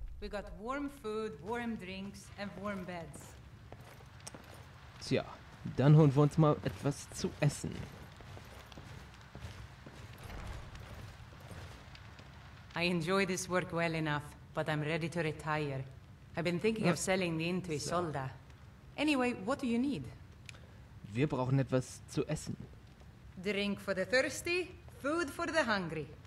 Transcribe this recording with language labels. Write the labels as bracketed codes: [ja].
[en] We got warm food, warm drinks and warm beds. [de] Tja, dann holen wir uns mal etwas zu essen. [en] I enjoy this work well enough, but I'm ready to retire. I've been thinking of selling the inn to Isolde. Anyway, what do you need? [de] Wir brauchen etwas zu essen. [en] Drink for the thirsty, food for the hungry.